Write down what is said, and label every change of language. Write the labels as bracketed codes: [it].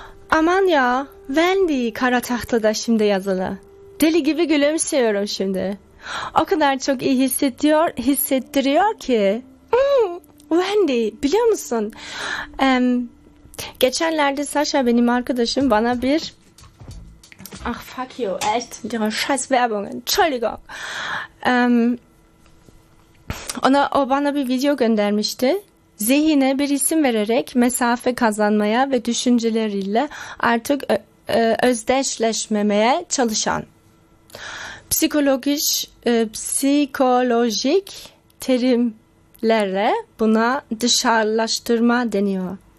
[tr] Aman ya, Wendy kara tahtada şimdi yazılı. Deli gibi gülümsüyorum şimdi. O kadar çok iyi hissettiriyor ki. Wendy, biliyor musun? Geçenlerde Sasha benim arkadaşım bana bir... [de] Ach [en] fuck you, [de] echt, diese scheiß Werbung, Entschuldigung. [tr] O bana bir video göndermişti. Zihine bir isim vererek mesafe kazanmaya ve düşünceleriyle artık özdeşleşmemeye çalışan psikolojik terimlerle buna dışarılaştırma deniyor.